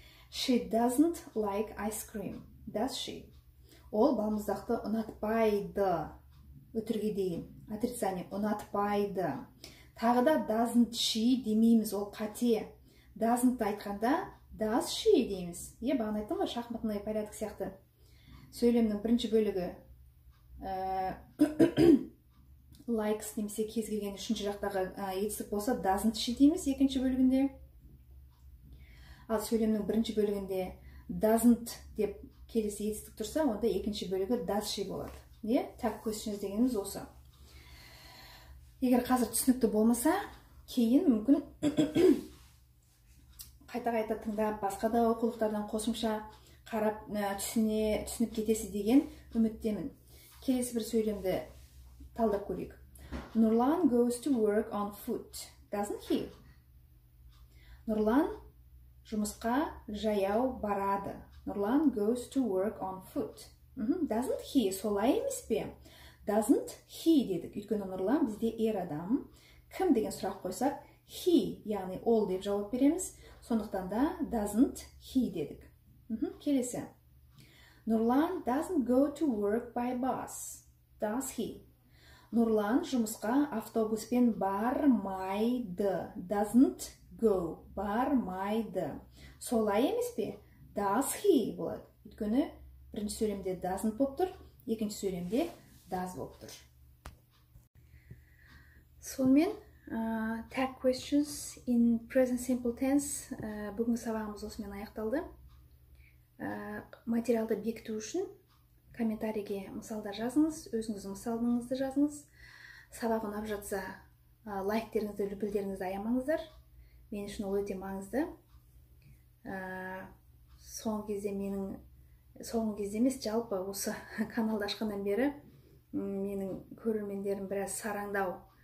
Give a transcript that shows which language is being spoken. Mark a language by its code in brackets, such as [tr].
[en] She doesn't like ice cream. Does she? [kk] Ол балмұздақты ұнатпайды. Өтірге дейін. Отрицание. Ұнатпайды. Тағы да [en] doesn't she [kk] демейміз. Ол қате. doesn't айтқанда [en] does she [kk] дейміз. Е, бағын айттым ба, шахматный порядок сияқты. Сөйлемнің бірінші бөлігі likes немесе кез келген үшінші жақтағы етістік болса [en] doesn't she [kk] дейміз екінші бөлігінде. Ал сөйлемнің бірінші бөлігінде doesn't деп келесі етістік тұрса, онда екінші бөлігі [en] does she [kk] болады. Е, так questions дегеніміз осы. Егер қазір түсінікті болмаса, кейін мүмкін қайта-қайта тыңдап, басқа да оқулықтардан қосымша қарап, түсініп кетесі деген үміттемін. Келесі бір сөйлемді талдап көрейік. [en] Nurlan goes to work on foot, doesn't he? [kk] Nurlan жұмысқа жаяу барады. [en] Nurlan goes to work on foot. Doesn't he? [kk] Солай емес пе? [en] Doesn't he [kk] дедік. Үйткені Нұрлан бізде ер адам. Кім деген сұрақ қойсақ, he, яғни ол деп жауап береміз. Сондықтан да [en] doesn't he [kk] дедік. Келесі. [en] Нұрлан doesn't go to work by bus. Does he? [kk] Нұрлан жұмысқа автобуспен бармайды. [en] Doesn't go. [kk] Бармайды. Солай емес пе? [en] Does he [kk] болады. Үйткені бірінші сөйлемде doesn't болып тұр, екінші сөйлемде does болып тұр. Сонымен [en] tag questions in present simple tense [kk] бүгін сабағымыз осымен аяқталды. Материалды бекіту үшін комментарийге мысалдар жазыңыз, өзіңіз мысалыңызды жазыңыз. Сабақ ұнап жатса, лайктеріңізді, лүпілдеріңізді аямаңыздар. Мен үшін ол өте маңызды. Соңғы кезде осы каналды ашқаннан бері менің көрермендерім біраз сараңдау.